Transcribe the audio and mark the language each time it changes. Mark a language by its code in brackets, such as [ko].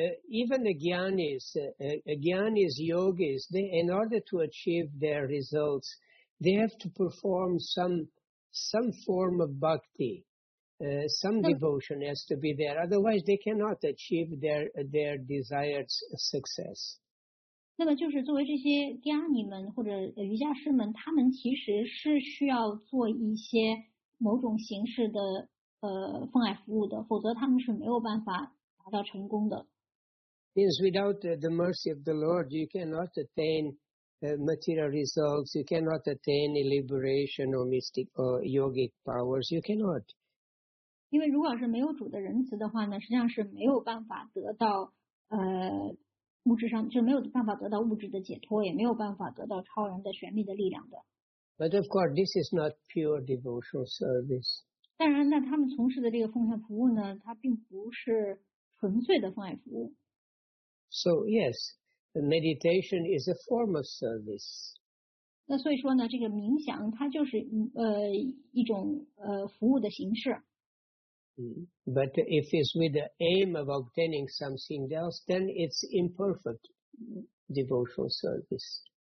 [en] Even the gyanis, yogis, they, in order to achieve their results, they have to perform some form of bhakti, some devotion has to be there. Otherwise, they cannot achieve their desired success. [zh] 那么就是作为这些 gyani 们或者瑜伽师们，他们其实是需要做一些某种形式的。奉爱服务的，否则他们是没有办法达到成功的。 [en] Means without the mercy of the Lord, you cannot attain material results, you cannot attain liberation or mystic or yogic powers, you cannot. [zh] 因为如果是没有主的仁慈的话呢，实际上是没有办法得到物质上，就没有办法得到物质的解脱，也没有办法得到超人的玄秘的力量的。 [en] But of course, this is not pure devotional service. [zh] 当然，那他们从事的这个奉献服务呢，它并不是纯粹的奉献服务。 [en] So yes, the meditation is a form of service. [zh] 那所以说呢，这个冥想它就是一种服务的形式。 [en] But if it's with the aim of obtaining something else, then it's imperfect devotional service.